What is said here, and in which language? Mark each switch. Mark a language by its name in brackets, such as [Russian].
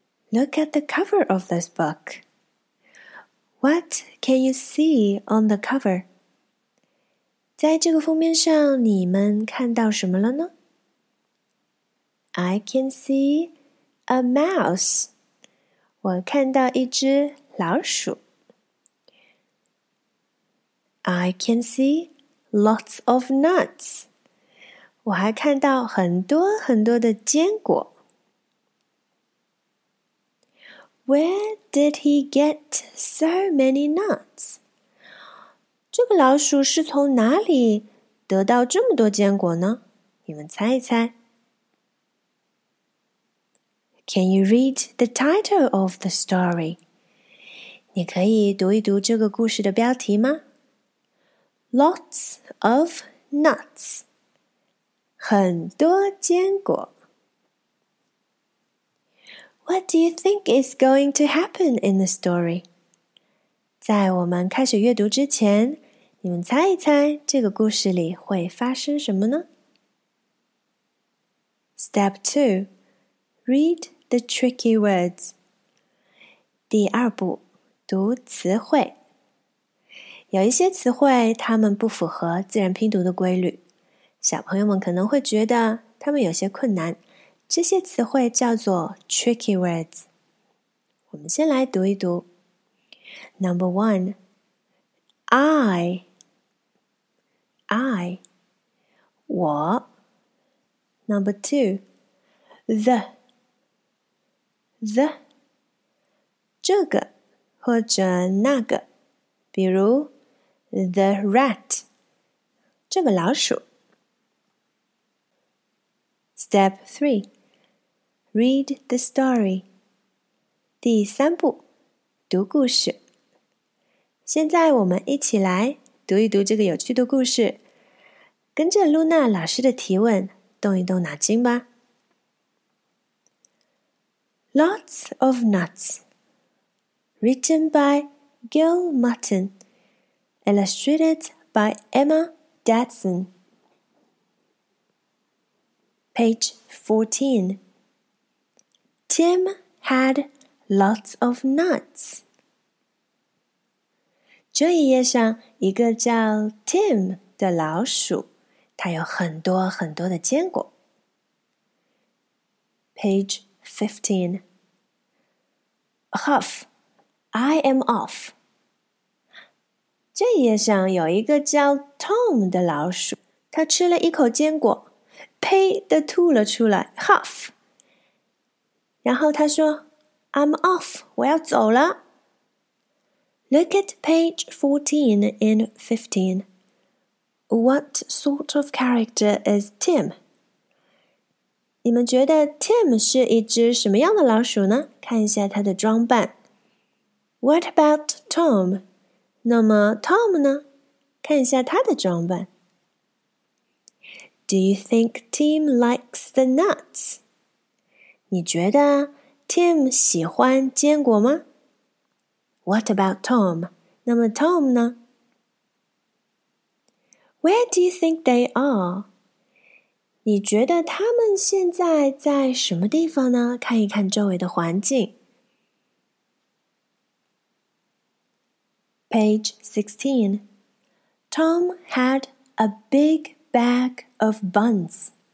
[English] Look at the cover of this book. What can you see on the cover? [Chinese] 在这个封面上你们看到什么了呢？ [English] I can see... A mouse. [Chinese] 我看到一只老鼠。 [English] I can see lots of nuts. [Chinese] 我还看到很多很多的坚果。 [English] Where did he get so many nuts? [Chinese] 这个老鼠是从哪里得到这么多坚果呢？你们猜一猜。 [English] Can you read the title of the story? [Chinese] 你可以读一读这个故事的标题吗? [English] Lots of nuts. [Chinese] 很多坚果。 [English] What do you think is going to happen in the story? [Chinese] 在我们开始阅读之前，你们猜一猜这个故事里会发生什么呢? [English] Step 2. Read. The tricky words. [Chinese] 第二步，读词汇。有一些词汇，它们不符合自然拼读的规律。小朋友们可能会觉得它们有些困难。这些词汇叫做 tricky words. 我们先来读一读。 [English] Number one, I, [Chinese] 我。 [English] Number two, the [Chinese] 这个或者那个，比如 [English] the rat [Chinese] 这个老鼠。 [English] Step 3 Read the story [Chinese] 第三步，读故事。现在我们一起来读一读这个有趣的故事，跟着 Luna 老师的提问动一动脑筋吧。 [English] Lots of Nuts Written by Gil Martin Illustrated by Emma Dadson Page 14 Tim had lots of nuts [Chinese] 这一页上一个叫 Tim 的老鼠它有很多很多的坚果 [English] Page 15Huff, I am off. [Chinese] 这页上有一个叫 Tom 的老鼠，他吃了一口坚果，呸的吐了出来 ，Huff。然后他说 ， [English] I'm off, [Chinese] 我要走了。 [English] Look at page 14 and 15. What sort of character is Tim? [Chinese] 你们觉得 Tim 是一只什么样的老鼠呢？看一下他的装扮。 [English] What about Tom? [Chinese] 那么 Tom 呢？看一下他的装扮。 [English] Do you think Tim likes the nuts? [Chinese] 你觉得 Tim 喜欢坚果吗？ [English] What about Tom? [Chinese] 那么 Tom 呢？ [English] Where do you think they are? [Chinese] 你觉得他们现在在什么地方呢？看一看周围的环境。 [English] Page 16. Tom had a big bag of buns.